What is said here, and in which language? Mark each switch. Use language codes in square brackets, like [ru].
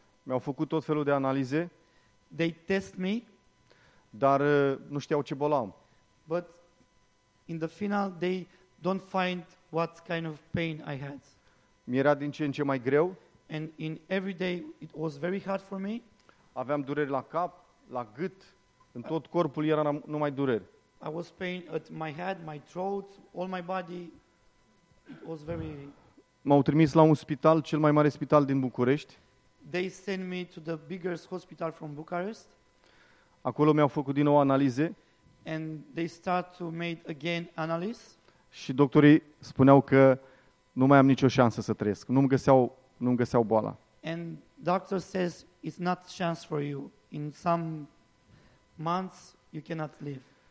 [ro] Mi-au făcut tot felul de analize. [en] They test me. [ro] Dar nu știau ce boală am. [en] But in the final, they don't find what kind of pain I had. [ro] Mi-era din ce în ce mai greu. [en] And in every day, it was very hard for me. [ro] Aveam dureri la cap, la gât, în tot corpul era numai dureri. [en] I was pain at my head, my throat, all my body. It was very... [ro] M-au trimis la un spital, cel mai mare spital din București. [en] They sent me to the biggest hospital from Bucharest. [ro] Acolo mi-au făcut din nou analize. [en] And they start to make again analysis. [ro] Și doctorii spuneau că nu mai am nicio șansă să trăiesc. Nu-mi găseau boala. [en] And doctor says it's not chance for you. In some months you cannot live.